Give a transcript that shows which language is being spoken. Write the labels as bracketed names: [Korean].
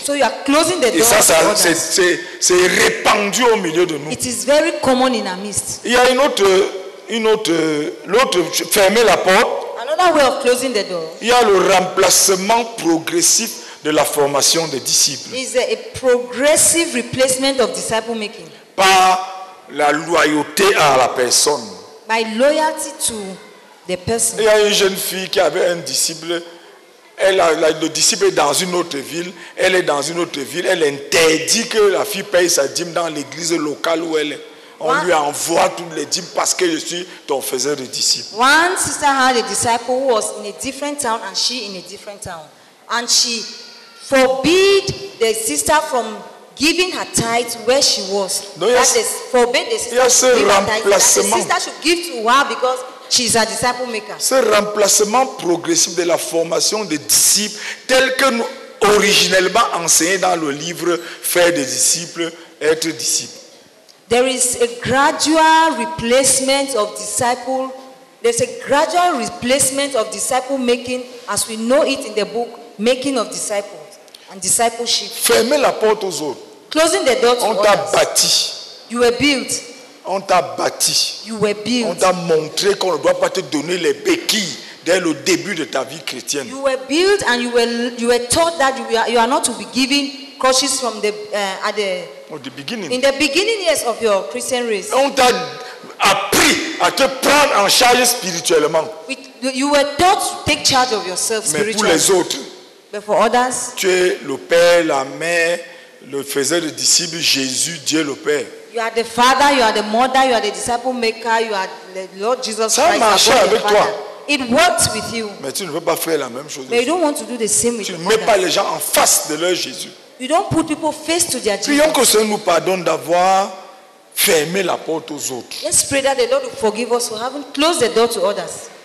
[English] So you are closing the [French] et [English] door. [French] Et ça, c'est répandu au milieu de nous. [English] It is very common in our midst. [French] Il y a l'autre fermer la porte. [English] Another way of closing the door. [French] Il y a le remplacement progressif de la formation des disciples. [English] Is there a progressive replacement of disciple making? [French] Par la loyauté à la personne. [English] By loyalty to the person. [French] Il y a une jeune fille qui avait un disciple. Le disciple est dans une autre ville. Elle est dans une autre ville. Elle interdit que la fille paye sa dîme dans l'église locale où elle est. On lui envoie toutes les dîmes parce que je suis ton faiseur de disciples. [English] One sister had a disciple who was in a different town and she in a different town. And she forbid the sister from giving her tithe where she was. No, that is forbid the sister yes, to give her tithe. That the sister should give to her because she's a disciple maker. [French] Ce remplacement progressif de la formation des disciples tel que nous originellement enseigné dans le livre Faire des disciples, être disciple. [English] There is a gradual replacement of disciple. There's a gradual replacement of disciple making as we know it in the book Making of Disciples and Discipleship. [French] Fermer la porte aux autres. [English] Closing the door to [French] on t'a bâti. [English] You were built. [French] On t'a bâti. [English] You were built. [French] On t'a montré qu'on ne doit pas te donner les béquilles dès le début de ta vie chrétienne. [English] You were built and you were taught that you are not to be given crutches from the at the oh, the beginning. In the beginning years of your Christian race. [French] On t'a appris à te prendre en charge spirituellement. [English] You were taught to take charge of yourself spiritually. [French] Mais pour les autres, [English] but for others, [French] tu es le père, la mère, le faiseur de disciples, Jésus, Dieu le Père. [English] You are the father, you are the mother, you are the disciple maker, you are the Lord Jesus [French] Ça marche avec toi. [English] It works with you. [French] Mais tu ne veux pas faire la même chose. [English] But you don't want to do the same with you. [French] Tu ne mets pas les gens en face de leur Jésus. [English] You don't put people face to their Jesus. [French] Prions que le Seigneur nous pardonne d'avoir fermé la porte aux autres. [English] Let's pray that the Lord will forgive us for having closed the door to others.